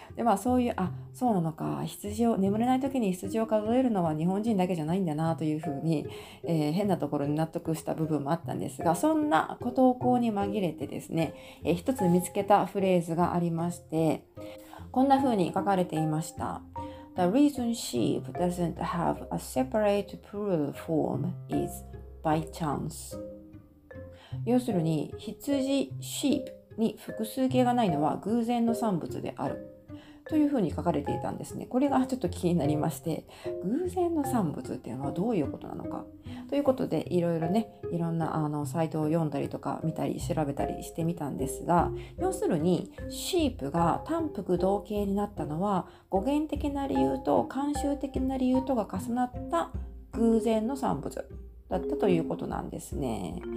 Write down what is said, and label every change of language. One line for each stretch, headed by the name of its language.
Japanese: でまあそういう、あそうなのか、羊を、眠れない時に羊を数えるのは日本人だけじゃないんだなというふうに、変なところに納得した部分もあったんですが、そんなご投稿に紛れてですね、一つ見つけたフレーズがありまして、こんなふうに書かれていました。
English: The reason sheep doesn't have a separate plural form is by chance.
Japanese: 要するに、羊、sheep に複数形がないのは偶然の産物であるというふうに書かれていたんですね。これがちょっと気になりまして、偶然の産物っていうのはどういうことなのかということで、いろいろね、いろんなサイトを読んだりとか見たり調べたりしてみたんですが、要するに、sheep が単複同形になったのは、語源的な理由と慣習的な理由とが重なった偶然の産物だったということなんですね。